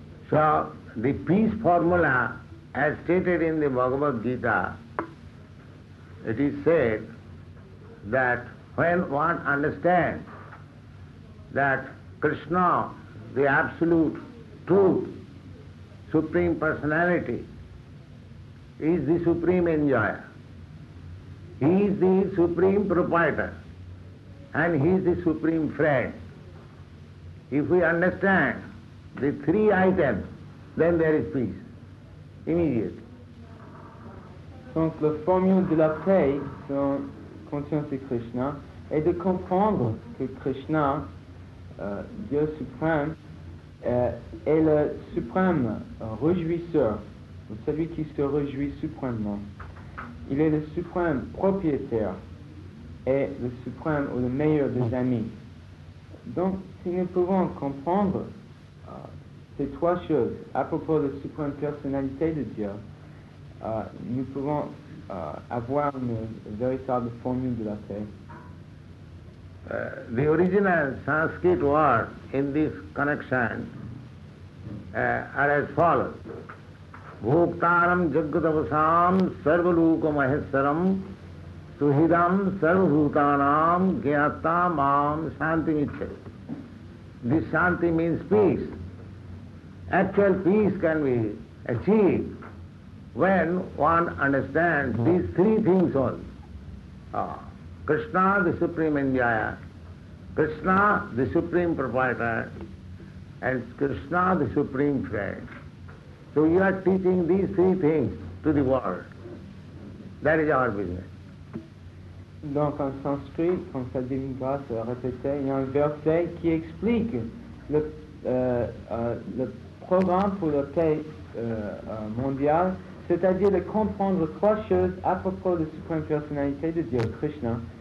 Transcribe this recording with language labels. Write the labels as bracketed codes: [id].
[en] So, the peace formula, as stated in the Bhagavad Gita, it is said that when one understands that Krishna, the Absolute Truth, Supreme Personality, is the Supreme Enjoyer. He is the Supreme Proprietor and He is the Supreme Friend. If we understand the three items, then there is peace, immediately. [fr] Donc la formule de la paix sur conscience de Krishna est de comprendre que Krishna, Dieu suprême, est le suprême réjouisseur, celui qui se réjouit suprêmement. Il est le suprême propriétaire et le suprême ou le meilleur des amis. Donc, si nous pouvons comprendre ces trois choses à propos de la suprême personnalité de Dieu, nous pouvons avoir une véritable formule de la paix. [en] The original Sanskrit words in this connection are as follows. [sa] Bhuktaram jagadavasam sarvaluka maheswaram suhidam sarvabhutanam gyatam am shanti mitra. [en] This shanti means peace. Actual peace can be achieved when one understands these three things only. Krishna, the Supreme Enjoyer, Krishna, the Supreme Proprietor, and Krishna, the Supreme Friend. So you are teaching these three things to the world. That is our business. [fr] Donc en sanskrit, comme ça dit une grâce répétée, il y a un verset qui explique le programme pour la paix mondiale, c'est-à-dire de comprendre trois choses à propos de la Suprême Personnalité de Dieu, Krishna.